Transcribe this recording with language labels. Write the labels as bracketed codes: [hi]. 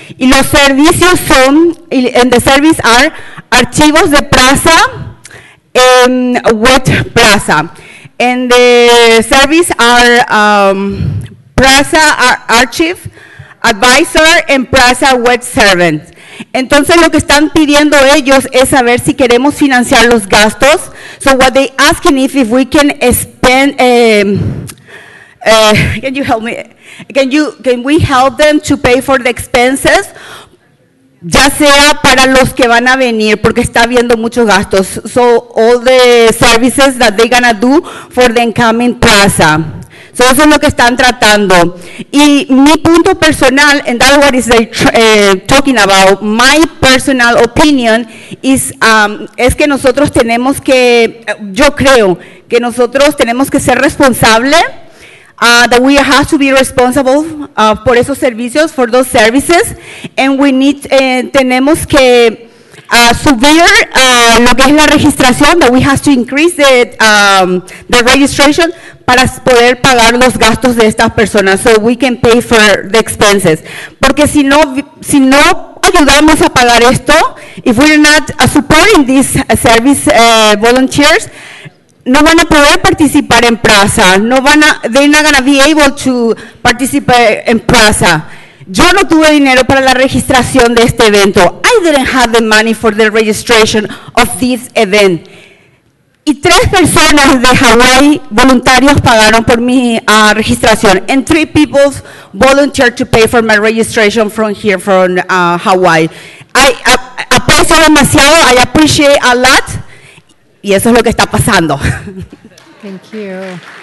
[es] Y los servicios son, [en] and the service are [es] archivos de plaza, [en] in Wet Plaza. And the service are Plaza Archive, Advisor and Plaza Wet Servant. [es] Entonces, lo que están pidiendo ellos es saber si queremos financiar los gastos. [en] So what they asking is if we can spend, can you help me? Can we help them to pay for the expenses? [es] Ya sea para los que van a venir, porque está habiendo muchos gastos. [en] So all the services that they're going to do for the incoming plaza. [es] So eso es lo que están tratando. Y mi punto personal, [en] and that's what is they talking about, my personal opinion is, [es] es que nosotros tenemos que, yo creo que nosotros tenemos que ser responsables. [en] That we have to be responsible for [es] esos servicios, [en] for those services, and we need, [es] tenemos que subir lo que es la registración, [en] that we have to increase the registration [es] para poder pagar los gastos de estas personas, [en] so we can pay for the expenses. [es] Porque si no ayudamos a pagar esto, [en] if we're not supporting these service volunteers, [es] no van a poder participar en plaza, no van a, [en] they're not going to be able to participate [es] en plaza. Yo no tuve dinero para la registración de este evento. [en] I didn't have the money for the registration of this event. [es] Y tres personas de Hawaii voluntarios pagaron por mi registración. [en] And three people volunteered to pay for my registration from here, from Hawaii. I [es] aprecio demasiado, [en] I appreciate a lot. [es] Y eso es lo que está pasando. [en] Thank you.